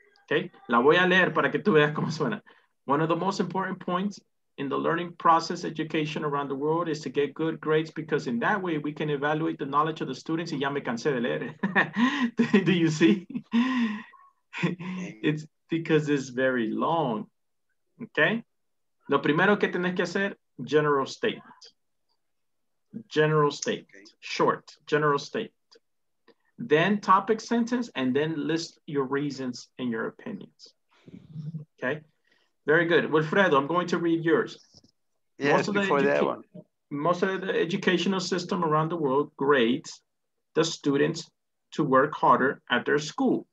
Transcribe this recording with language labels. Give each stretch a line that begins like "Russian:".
Spanish: Okay, la voy a leer para que tú veas cómo suena.
English: One of the most important points in the learning process, education around the world, is to get good grades, because in that way we can evaluate the knowledge of the students.
Spanish: Y ya me cansé de leer.
English: Do you see? It's because it's very long. Okay.
Spanish: Lo primero que tenés que hacer, general statement.
English: General statement. Okay. Short. General statement. Then topic sentence, and then list your reasons and your opinions. Okay. Very good. Wilfredo, I'm going to read yours. Yes, most of the most of the educational system around the world grades the students to work harder at their school.